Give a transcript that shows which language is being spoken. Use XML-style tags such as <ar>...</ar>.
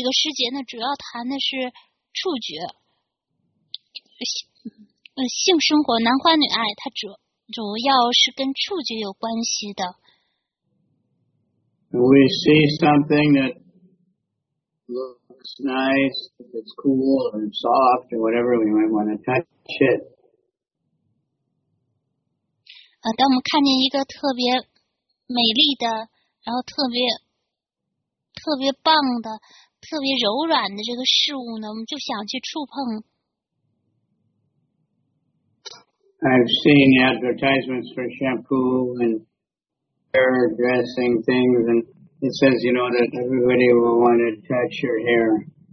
<zh>这几个诗节呢，主要谈的是触觉。性生活男欢女爱 它主要是跟触觉有关系的</zh> <en>We see something that looks nice if it's cool and soft or whatever we might want to touch it</en> <zh>当我们看见一个特别美丽的然后特别棒的特别柔软的这个事物呢我们就想去触碰</zh> <en>I've seen advertisements for shampoo and hair dressing things, and it says, you know, that everybody will want to touch your hair.</en>